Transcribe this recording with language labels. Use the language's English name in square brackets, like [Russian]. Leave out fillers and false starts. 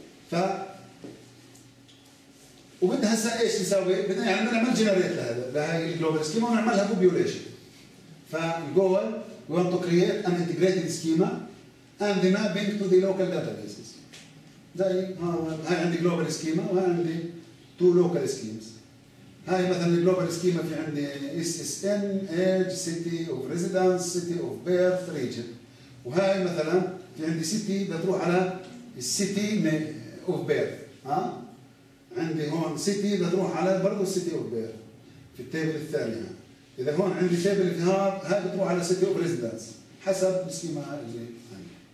[Arabic] ف وبدنا هسا ايش نسوي؟ بدنا يعني نعمل جنريت لهي الجلوبال سكيما ونعملها بوبيوليشن. [English] فالجول we want to create an integrated schema and the mapping to the local databases. [Arabic] زي هاي عندي global schema وهاي عندي two local schemes. هاي مثلا [English] global schema [Arabic] في عندي [English] SSN, age, city of residence, city of birth, region. [Arabic] وهاي مثلا في عندي city بتروح على city of birth. ها؟ عندي هون city بتروح على برضو city of birth في التابل الثانية. إذا هون عندي تابل في هاد, هاي بتروح على سيتي أوف ريزيدنس حسب السكيما هاي اللي عندي.